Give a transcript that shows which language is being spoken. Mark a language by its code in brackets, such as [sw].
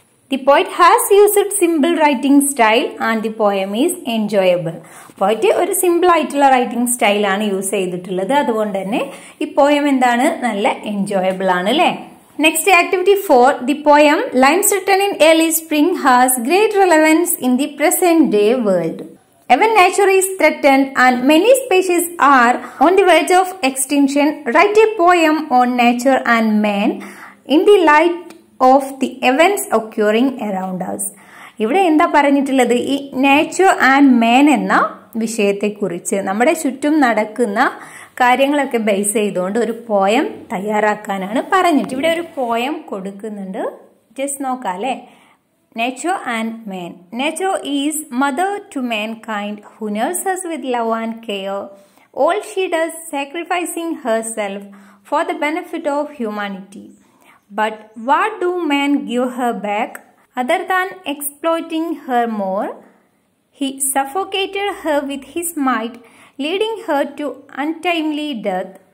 [en] The poet has used simple writing style and the poem is enjoyable. [ml] Poet ഒരു simple ആയിട്ടുള്ള writing style ആണ് use ചെയ്തിട്ടുള്ളത്. അതുകൊണ്ട് തന്നെ ഈ പോയം എന്താണ്, നല്ല എൻജോയബിൾ ആണ് അല്ലേ. [en] Next activity 4. The poem lines written in early spring has great relevance in the present day world. Even nature is threatened and many species are on the verge of extinction. Write a poem on nature and man in the light of the events occurring around us. [ml] ഇവിടെ എന്താ പറഞ്ഞിട്ടുള്ളത്, ഈ nature and മാൻ എന്ന വിഷയത്തെക്കുറിച്ച് നമ്മുടെ ചുറ്റും നടക്കുന്ന കാര്യങ്ങളൊക്കെ ബേസ് ചെയ്തുകൊണ്ട് ഒരു പോയം തയ്യാറാക്കാനാണ് പറഞ്ഞിട്ട്. ഇവിടെ ഒരു പോയം കൊടുക്കുന്നുണ്ട്, just നോക്കാല്ലേ. [en] Nature and man. Nature is mother to mankind who nurses with love and care. All she does sacrificing herself for the benefit of humanity. But what do man give her back? Other than exploiting her more, he suffocated her with his might, leading her to untimely death.